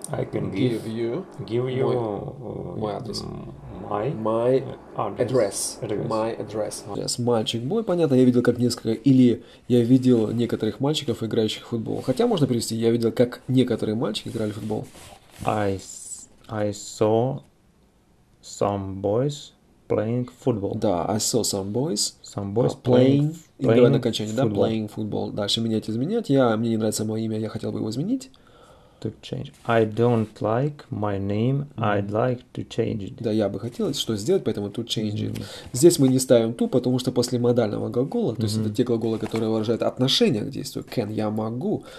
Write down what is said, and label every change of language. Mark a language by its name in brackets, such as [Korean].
[English] give you [Russian] мой адрес. [English] My address. [Russian] Yes, мальчик бой, понятно, я видел как несколько, или я видел некоторых мальчиков, играющих в футбол. Хотя можно перевести, я видел как некоторые мальчики играли в футбол. [English] I saw some boys playing football. Да, I saw some boys. Some boys playing [Russian] играя на окончании, да, [English] playing football. [Russian] Дальше изменять. Мне не нравится мое имя, я хотел бы его изменить. [English] To change. I don't like my name. I'd like to change it. [Russian] Да, я бы хотел что сделать, поэтому [English] to change it. [Russian] Здесь мы не ставим to, потому что после модального глагола, то есть это те глаголы, которые выражают отношение к действию. Can, я могу.